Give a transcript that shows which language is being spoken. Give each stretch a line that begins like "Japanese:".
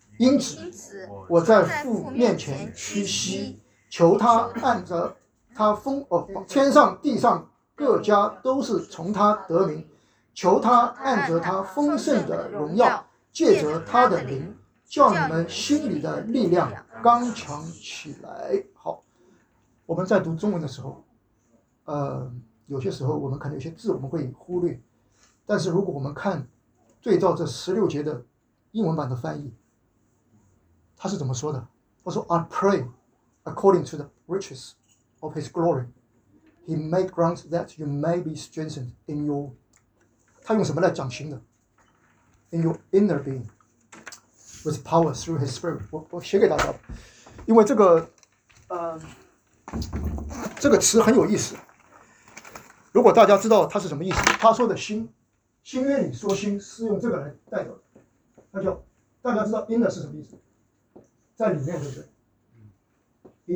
Chinese: 因此，我在父面前屈膝，求他按着他丰天上地上各家都是从他得名，求他按着他丰盛的荣耀，借着他的灵，叫你们心里的力量刚强起来。好，我们在读中文的时候，有些时候我们可能有些字我们会忽略，但是如果我们看对照这十六节的英文版的翻译，他是怎么说的？他说
English: ：“I pray according to the riches of His glory, He may grant that you may be strengthened in your。”
Chinese: 他用什么来讲心的？
English: In your inner being, with power through His Spirit.
Chinese: 我写给大家，因为这个词很有意思。如果大家知道它是什么意思，他说的心，新约里说心是用这个来代表的，它叫大家知道 inner 是什么意思，在里面，对不对？